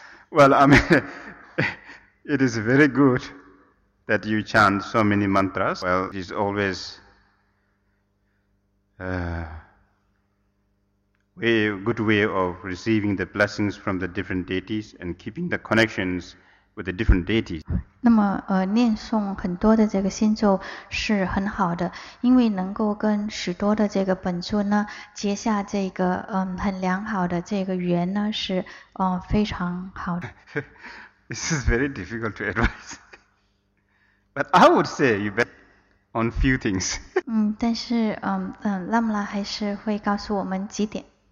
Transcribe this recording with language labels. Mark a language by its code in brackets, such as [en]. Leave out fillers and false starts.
[en] Well, I mean, it is very good that you chant so many mantras. Well, it is always a good way of receiving the blessings from the different deities and keeping the connections with the different deities. [zh] 那么，念诵很多的这个心咒是很好的，因为能够跟许多的这个本尊呢结下这个很良好的这个缘呢，是非常好的。 [en] This is very difficult to advise. But I would say you bet on few things. [zh] 但是拉姆拉还是会告诉我们几点。